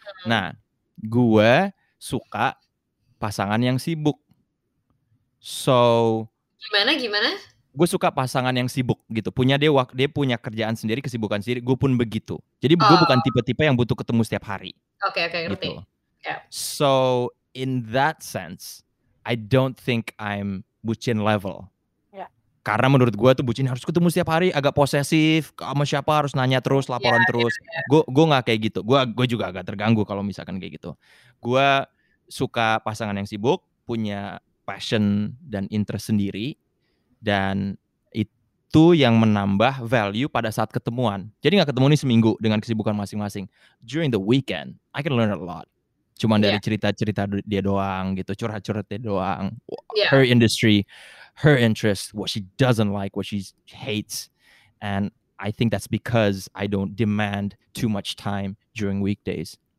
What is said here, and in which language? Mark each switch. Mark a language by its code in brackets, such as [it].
[id] Nah, gue suka pasangan yang sibuk. So gimana? Gue suka pasangan yang sibuk gitu. Punya dia punya kerjaan sendiri, kesibukan sendiri. Gue pun begitu. Jadi gue bukan tipe-tipe yang butuh ketemu setiap hari. Oke, ngerti. Gitu. [en] So in that sense, I don't think I'm bucin level. [id] Karena menurut gue tuh bucin harus ketemu setiap hari, agak posesif, sama siapa harus nanya terus, laporan terus. Gue gak kayak gitu, gue juga agak terganggu kalau misalkan kayak gitu. Gue suka pasangan yang sibuk, punya passion dan interest sendiri, dan itu yang menambah value pada saat ketemuan. Jadi gak ketemu nih seminggu dengan kesibukan masing-masing. [en] During the weekend, I can learn a lot. [id] Cuman dari cerita-cerita dia doang [en] gitu, curhat-curhat dia doang. Her industry, her interest, what she doesn't like, what she hates. And I think that's because I don't demand too much time during weekdays.